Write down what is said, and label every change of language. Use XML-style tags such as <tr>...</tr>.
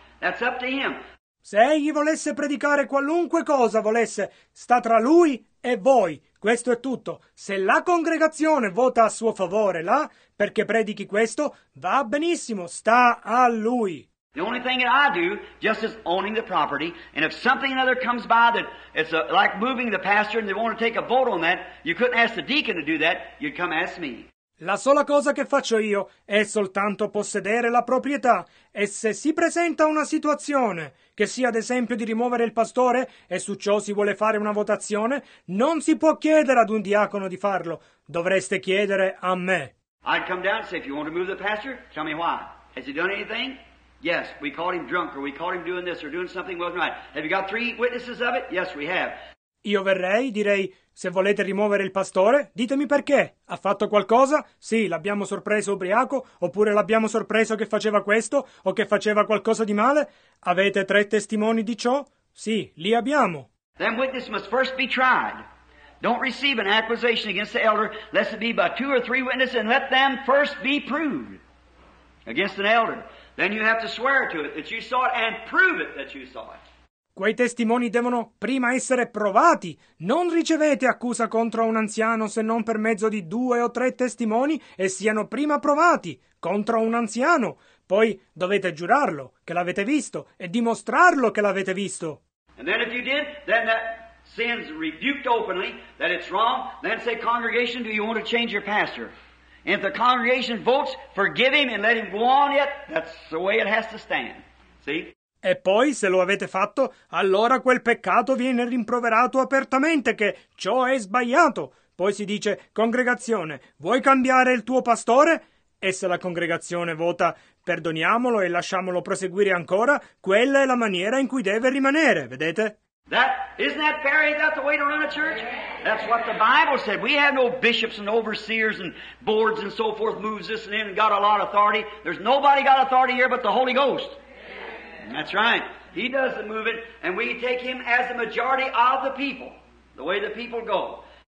<en>That's up to him.</en> <it>Se egli volesse predicare qualunque cosa volesse, sta tra lui e voi. Questo è tutto. Se la congregazione vota a suo favore là, perché predichi questo, va benissimo, sta a lui.</it> <en>The only thing that I do, just as owning the property, and if something another comes by that it's a, like moving the pastor and they want to take a vote on that, you couldn't ask the deacon to do that, you'd come ask me.</en> <it>La sola cosa che faccio io è soltanto possedere la proprietà e se si presenta una situazione che sia ad esempio di rimuovere il pastore e su ciò si vuole fare una votazione, non si può chiedere ad un diacono di farlo, dovreste chiedere a me.</it> <en>I'd come down and say, if you want to move the pastor, tell me why. Has he done anything? Yes, we caught him drunk or we caught him doing this or doing something wasn't right. Have you got three witnesses of it? Yes, we have.</en> <it>Io verrei, direi, se volete rimuovere il pastore, ditemi perché. Ha fatto qualcosa? Sì, l'abbiamo sorpreso ubriaco, oppure l'abbiamo sorpreso che faceva questo, o che faceva qualcosa di male? Avete tre testimoni di ciò? Sì, li abbiamo.</it> <en>Then witness must first be tried. Don't receive an accusation against the elder, lest it be by two or three witnesses, and let them first be proved against an elder. Then you have to swear to it that you saw it, and prove it that you saw it.</en> <it>Quei testimoni devono prima essere provati. Non ricevete accusa contro un anziano se non per mezzo di due o tre testimoni e siano prima provati contro un anziano. Poi dovete giurarlo che l'avete visto e dimostrarlo che l'avete visto.</it> <en>And then if you did, then that sin's rebuked openly, that it's wrong, then say, congregation, do you want to change your pastor? And if the congregation votes, forgive him and let him go on yet, that's the way it has to stand. See?</en> <it>E poi, se lo avete fatto, allora quel peccato viene rimproverato apertamente che ciò è sbagliato. Poi si dice, congregazione, vuoi cambiare il tuo pastore? E se la congregazione vota, perdoniamolo e lasciamolo proseguire ancora, quella è la maniera in cui deve rimanere, vedete?</it> <en>That, isn't that fair? Ain't that the way to run a church? That's what the Bible said. We have no bishops and overseers and boards and so forth moves this and in and got a lot of authority. There's nobody got authority here but the Holy Ghost. That's right. He does the moving, and we take him as the majority of the people, the way the people go.</en>